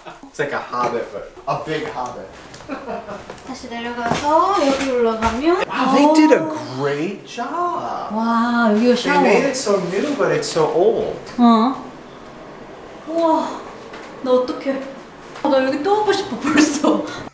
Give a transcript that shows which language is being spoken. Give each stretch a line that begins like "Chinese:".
English: It's like a hobbit, but a big hobbit.
Korean: 다시 내려가서 여기 올라가면
English: Wow, they did a great job.
Korean: 와, 여기가 샤워.
English: They made it so new, but it's so old.
Korean: 어? 우와, 나 어떡해. 아, 나 여기 또 오고 싶어, 벌써.